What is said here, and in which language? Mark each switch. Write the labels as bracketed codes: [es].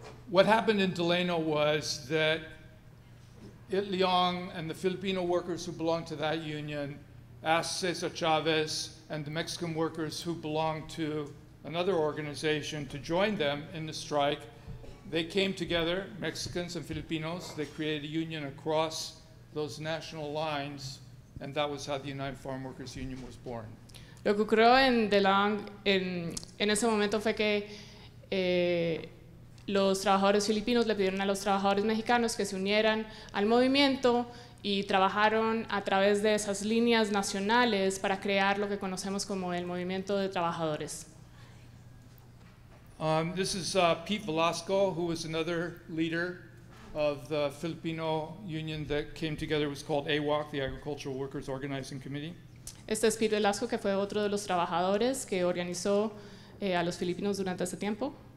[en] What happened in Delano was that Itliong and the Filipino workers who belonged to that union asked Cesar Chavez and the Mexican workers who belonged to another organization to join them in the strike. They came together, Mexicans and Filipinos, they created a union across those national lines, and that was how the United Farm Workers Union was born. [es] Lo que ocurrió en Delang en ese momento fue que los trabajadores filipinos le pidieron a los trabajadores mexicanos que se unieran al movimiento y trabajaron a través de esas líneas nacionales para crear lo que conocemos como el movimiento de trabajadores. [en] This is Pete Velasco, who was another leader of the Filipino union that came together. It was called AWOC, the Agricultural Workers Organizing Committee. [es] Este es Pete Velasco, que fue otro de los trabajadores que organizó a los filipinos durante ese tiempo.